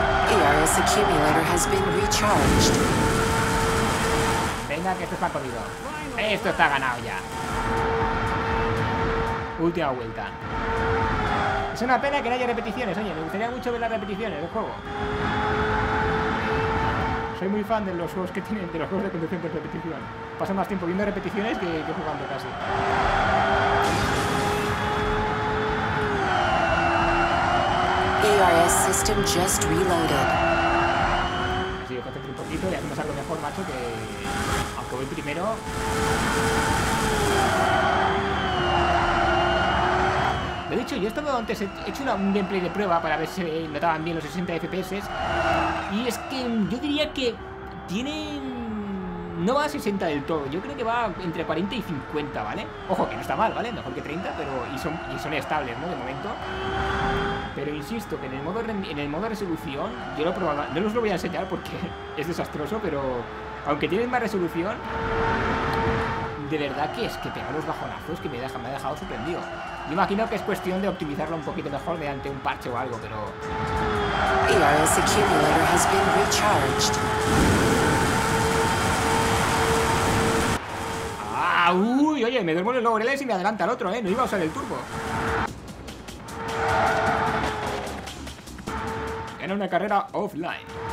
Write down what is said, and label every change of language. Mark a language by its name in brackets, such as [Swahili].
[English] ERS accumulator has been recharged. [Spanish] Venga, que esto está corrido. Esto está ganado ya. Última vuelta. Es una pena que no haya repeticiones, oye, me gustaría mucho ver las repeticiones del juego. Soy muy fan de los juegos que tienen, de los juegos de conducción con repetición. Paso más tiempo viendo repeticiones que jugando casi. [English] ERS system just reloaded. [Spanish] Así que concentré un poquito y hacemos algo mejor, macho, que... Aunque voy primero... Lo he dicho, yo he estado antes, he hecho un gameplay de prueba para ver si notaban bien los 60 FPS. Y es que yo diría que tiene... No va a 60 del todo, yo creo que va entre 40 y 50, ¿vale? Ojo, que no está mal, ¿vale? Mejor que 30, pero... Y son estables, ¿no? De momento. Pero insisto, que en el modo resolución, yo lo probaba... No os lo voy a enseñar porque es desastroso, pero... Aunque tienen más resolución... De verdad que es que pegar los bajonazos que me ha dejado sorprendido. Yo imagino que es cuestión de optimizarlo un poquito mejor mediante un parche o algo, pero... [English] ERS accumulator has been recharged. ¡Ah! ¡Uy! [Spanish] Oye, me duermo los laureles y me adelanta el otro, ¿eh? No iba a usar el turbo. Era una carrera offline.